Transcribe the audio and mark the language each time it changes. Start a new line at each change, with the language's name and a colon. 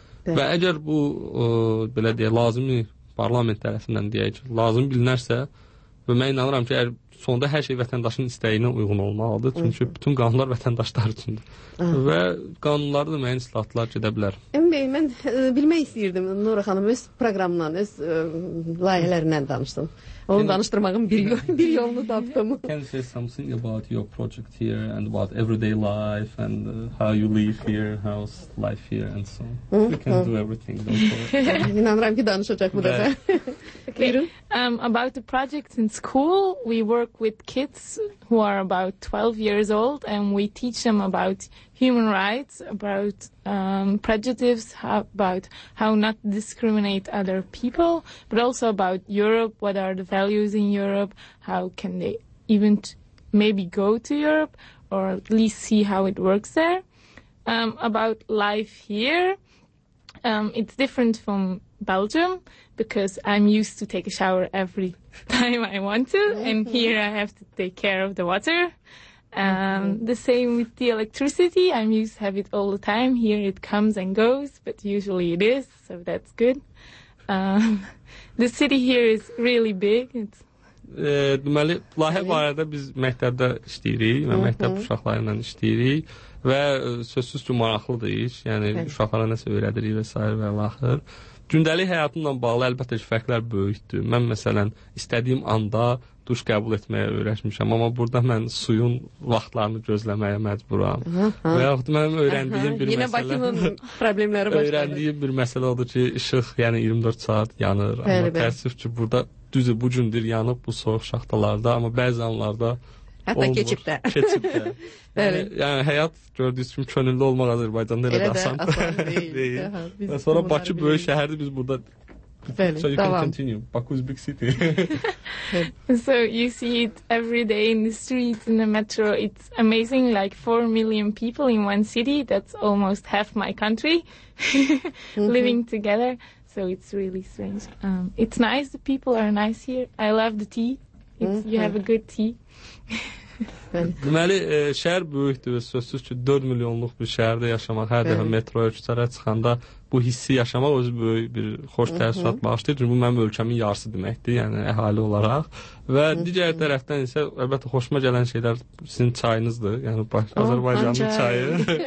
Azerbaijani: Və əgər bu belə deyə lazımi parlament tərəfindən deyək, lazım bilinərsə və mən inanıram ki, əgər sonda hər şey vətəndaşın istəyinə uyğun olmalıdır. Çünki bütün qanunlar vətəndaşlar üçündür. Və qanunlarda da müəyyən islahatlar gedə bilər. Bey, mən bilmək istəyirdim Nura xanım öz proqramla, öz layihələrindən danışdım. Onu danışdırmağın bir yolunu tapdım.
English: Can you say something about your project here and about everyday life and how you live here, how's life here and so on? You can do everything.
Azerbaijani: İnanıram ki, danışacaq bu da.
English: About the project in school, we work with kids who are about 12 years old and we teach them about human rights, about prejudice, about how not to discriminate other people, but also about Europe, what are the values in Europe, how can they even maybe go to Europe or at least see how it works there. About life here, it's different from Belgium because I'm used to take a shower every time I want to and here I have to take care of the water. The same with the electricity. I'm used to have it all the time. Here it comes and goes, but usually it is, so that's good. The city here is really big. It's
Azerbaijani: deməli, layihə barədə biz məktəbdə işləyirik, məktəb uşaqları ilə işləyirik və sözsüz ki, maraqlıdır iş. Yəni uşaqlara nəsə öyrədirik və sair və laxır. Gündəlik həyatımla bağlı əlbəttə ki, fərqlər böyükdür. Mən məsələn, istədiyim anda duş qəbul etməyə öyrəşmişəm, amma burada mən suyun vaxtlarını gözləməyə məcburam. Və yaxud mənim öyrəndiyim bir yenə məsələ... Yenə Bakının problemləri başladı. Öyrəndiyim bir məsələ odur ki, işıq yəni 24 saat yanır. Bəli, amma təəssüf ki, burada düzü bu gündür yanıb bu soyuq şaxtalarda, amma bəzi anlarda hətta olmur. Keçib də. Yəni həyat gördüyünüz kimi könüllü olmaq Azərbaycanda elə də asan deyil. Və sonra Bakı böyük şəhərdir, biz burada...
English: Fairly. So you can continue. Baku is big city. So you see it every day in the streets, in the metro. It's amazing, like 4 million people in one city. That's almost half my country living together. So it's really strange. It's nice. The people are nice here. I love the tea. You have a good tea.
Azerbaijani: Deməli, şəhər böyükdür və sözsüz ki, 4 milyonluq bir şəhərdə yaşamaq, hər dəfə metroya küçərə çıxanda bu hissi yaşamaq özü böyük bir xoş təəssürat bağışlayır. Çünki bu mənim ölkəmin yarısı deməkdir, yəni əhali olaraq. Və digər tərəfdən isə, əlbəttə, xoşuma gələn şeylər sizin çayınızdır, yəni Azərbaycanın çayı.